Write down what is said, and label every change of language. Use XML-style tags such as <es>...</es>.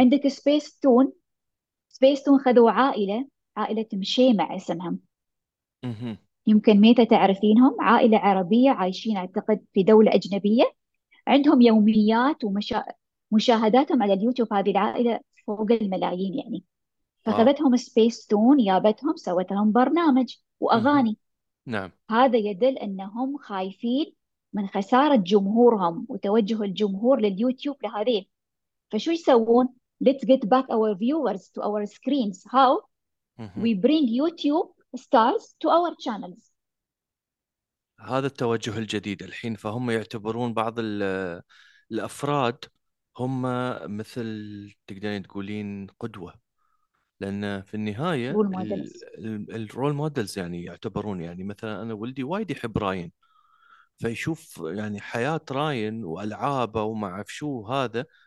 <ar>عندك سبيس تون خذوا عائلة مشيمع اسمهم، يمكن ميتة تعرفينهم، عائلة عربية عايشين أعتقد في دولة أجنبية، عندهم يوميات ومشاهداتهم على اليوتيوب، هذه العائلة فوق الملايين يعني. واو. فخذتهم سبيس تون، جابتهم سوت لهم برنامج وأغاني. نعم. هذا يدل أنهم خايفين من خسارة جمهورهم وتوجه الجمهور لليوتيوب لهذين. فشو يسوون؟</ar> <en>Let's get back our viewers to our screens. How? We bring YouTube stars to our channels.</en> <ar>هذا التوجه الجديد الحين، فهم يعتبرون بعض الأفراد هم مثل تقدرين تقولين قدوة، لأن في النهاية</ar> <en>role models.</en> <ar>الرول مودلز يعني يعتبرون. يعني مثلا أنا ولدي وايد يحب راين، فيشوف يعني حياة راين وألعابه وما أعرف شو هذا.</ar>